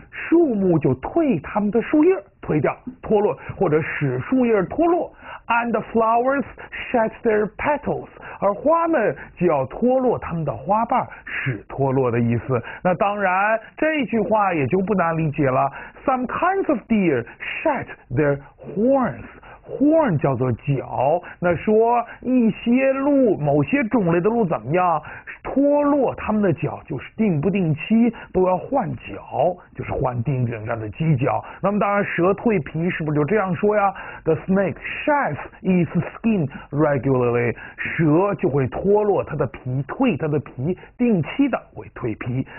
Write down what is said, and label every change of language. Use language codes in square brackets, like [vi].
[zh] 树木就蜕它们的树叶，蜕掉、脱落，或者使树叶脱落。 [en] And the flowers shed their petals， [zh] 而花们就要脱落它们的花瓣，使脱落的意思。那当然，这句话也就不难理解了。 [en] Some kinds of deer shed their horns，horn [zh] 叫做角。那说一些鹿，某些种类的鹿怎么样？脱落它们的角，就是定不定期都要换角，就是换定定上的犄角。那么当然，蛇蜕皮是不是就这样说呀？ [en] The snake sheds its skin regularly， [zh] 蛇就会脱落它的皮，蜕它的皮，定期的会蜕皮。